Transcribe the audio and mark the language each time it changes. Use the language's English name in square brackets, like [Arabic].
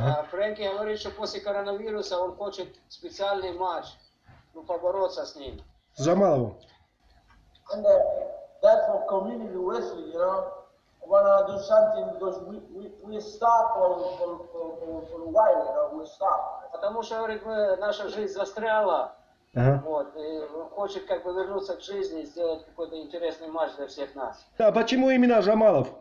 [Russian] Frankie говорит, что после коронавируса он хочет специальный матч, ну, побороться с ним. За малого. [English] And that's for community wrestling, you know. We want to do something because we stop for a while, you know, we stop. [Russian] Потому что, говорит, наша жизнь застряла. Вот, и хочет как бы вернуться к жизни и сделать какой-то интересный матч для всех нас. А почему именно Жамалов?